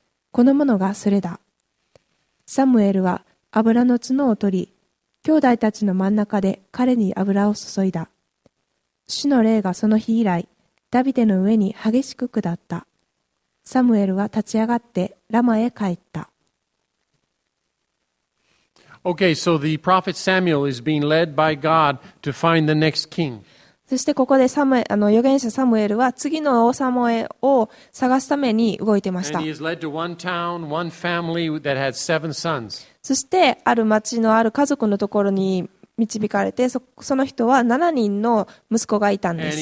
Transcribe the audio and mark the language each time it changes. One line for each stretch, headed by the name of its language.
Japanese: この者がそれだ。サムエルは油の角を取り、兄弟たちの真ん中で彼に油を注いだ。主の霊がその日以来、ダビデの上に激しく下った。サムエルは立ち上がってラマへ帰った。
English: Okay, so the prophet Samuel is being led by God to find the next king.
Japanese: そしてここで預言者サムエルは次の王様を探すために動いてました。
English: And he is led to one town, one family that had seven sons.
Japanese: そしてある町のある家族のところに導かれて、その人は7人の息子がいたんです。